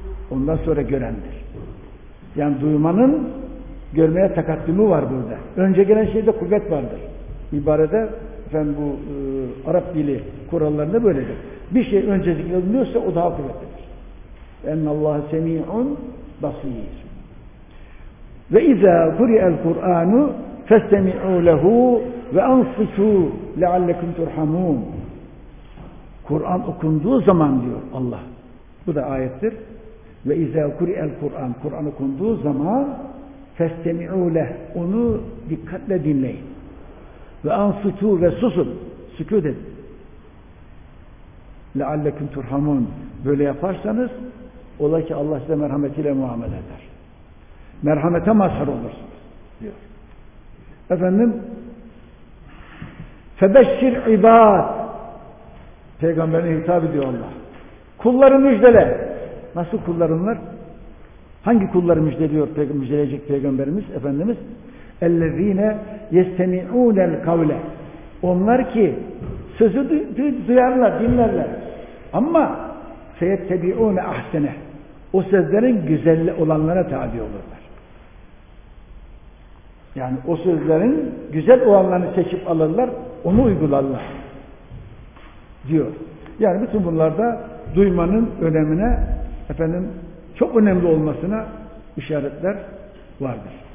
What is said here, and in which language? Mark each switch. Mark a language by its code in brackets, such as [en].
[tr] Ondan sonra görendir. Yani duymanın görmeye takaddümü var burada. Önce gelen şeyde kuvvet vardır. İbarede efendim bu Arap dili kurallarında böyledir. Bir şey önce zikredilmiyorsa o daha kuvvetlidir. [ar] Ennallâhe semî'un basîr. وَإِذَا قُرِئَ الْقُرْآنُ فَاسْتَمِعُوا لَهُ وَأَنْصِتُوا لَعَلَّكُمْ تُرْحَمُونَ [tr] Kur'an okunduğu zaman diyor Allah. Bu da ayettir. [ar] وَإِذَا قُرِئَ الْقُرْآنُ [tr] Kur'an okunduğu zaman [ar] فَاسْتَمِعُوا لَهُ [tr] onu dikkatle dinleyin. [ar] وَأَنْصِتُوا [tr] ve susun. Sükut edin. [ar] لَعَلَّكُمْ تُرْحَمُونَ [tr] Böyle yaparsanız Ola ki Allah size merhametiyle muamele eder. Merhamete mazhar olursunuz diyor. Efendim [ar] febeşşir ibad, [tr] peygamberine hitap ediyor Allah. Kulları müjdele. Nasıl kulların var? Hangi kulları müjdeliyor, müjdeleyecek peygamberimiz, efendimiz? [ar] اَلَّذ۪ينَ يَسْتَمِعُونَ الْقَوْلَ. [tr] Onlar ki sözü duyarlar, dinlerler. Ama [ar] فَيَتَّبِعُونَ اَحْسَنَهُ. [tr] O sözlerin güzelli olanlara tabi olurlar. Yani o sözlerin güzel olanlarını seçip alırlar, onu uygularlar diyor. Yani bütün bunlarda duymanın önemine, efendim çok önemli olmasına işaretler vardır.